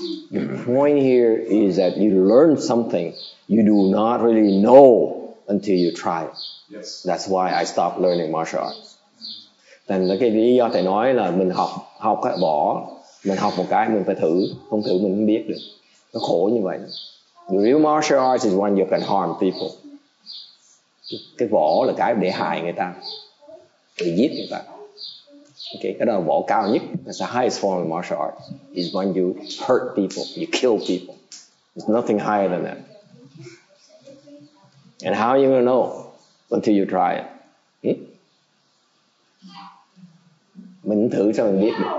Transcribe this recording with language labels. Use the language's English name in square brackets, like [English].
[English] The point here is that you learn something you do not really know until you try. Yes. That's why I stopped learning martial arts. [Vietnamese] Thành là cái lý do thầy nói là mình học bỏ, mình học một cái mình phải thử, không thử mình không biết được. Nó khổ như vậy. [English] The real martial arts is when you can harm people. [Vietnamese] Cái võ là cái để hại người ta, để giết người ta. Okay, cái đó là võ cao nhất. [English] That's the highest form of martial arts. Is when you hurt people, you kill people. There's nothing higher than that. And how are you gonna know until you try it? [Vietnamese] Mình thử cho mình biết.